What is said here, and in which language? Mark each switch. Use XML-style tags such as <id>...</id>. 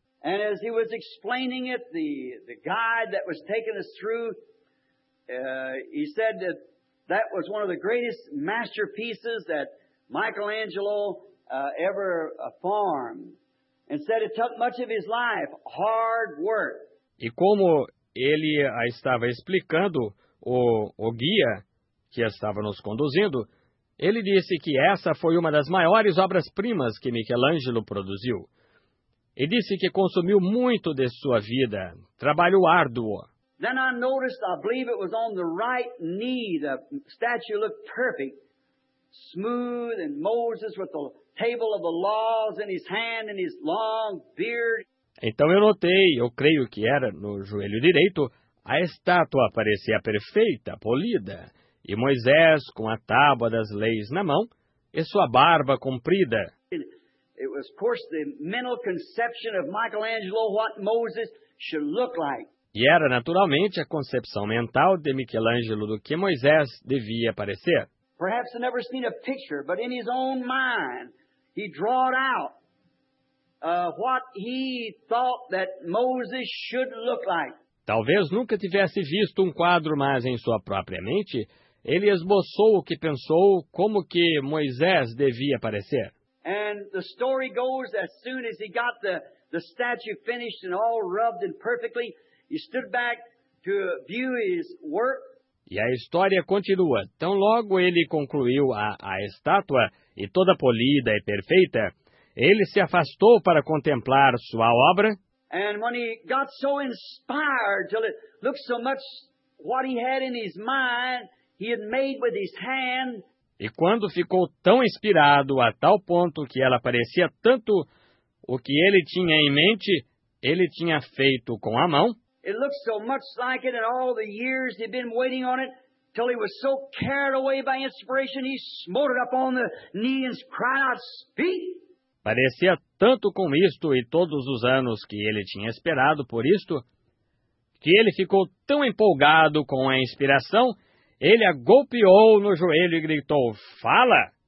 <en>And as he was explaining it, the guide that was taking us through, he said that that was one of the greatest masterpieces that Michelangelo ever formed. And said it took much of his life, hard work.</en> <pt>E como ele estava explicando, o guia que estava nos conduzindo, ele disse que essa foi uma das maiores obras-primas que Michelangelo produziu. E disse que consumiu muito de sua vida, trabalho árduo.</pt> <en>Then I noticed, I believe it was on the right knee, the statue looked perfect, smooth, and Moses with the table of the laws in his hand and his long beard.</en> <pt>Então eu notei, eu creio que era no joelho direito, a estátua parecia perfeita, polida. E Moisés com a tábua das leis na mão e sua barba comprida.</pt> <en>It was, of course, the mental conception of Michelangelo what Moses should look like.</en> <pt>E era naturalmente a concepção mental de Michelangelo do que Moisés devia parecer.</pt> <en>Perhaps he never seen a picture, but in his own mind he drawed out what he thought that Moses should look like.</en> <pt>Talvez nunca tivesse visto um quadro, mas em sua própria mente ele esboçou o que pensou, como que Moisés devia parecer.</pt> <en>And the story goes, as soon as he got the statue finished and all rubbed in perfectly, he stood back to view his work.</en> <pt>E a história continua. Tão logo ele concluiu a estátua, e toda polida e perfeita, ele se afastou para contemplar sua obra.</pt> <en>And when he got so inspired, till it looked so much what he had in his mind, he had made with his hand.</en> <pt>E quando ficou tão inspirado a tal ponto que ela parecia tanto o que ele tinha em mente, ele tinha feito com a mão.</pt> <en>It looked so much like it in all the years he'd been waiting on it, till he was so carried away by inspiration, he smote it up on the knee and cried out, "Speak!"</en> <pt>Parecia tanto com isto e todos os anos que ele tinha esperado por isto, que ele ficou tão empolgado com a inspiração. Ele a golpeou no joelho e gritou, "Fala!"</pt>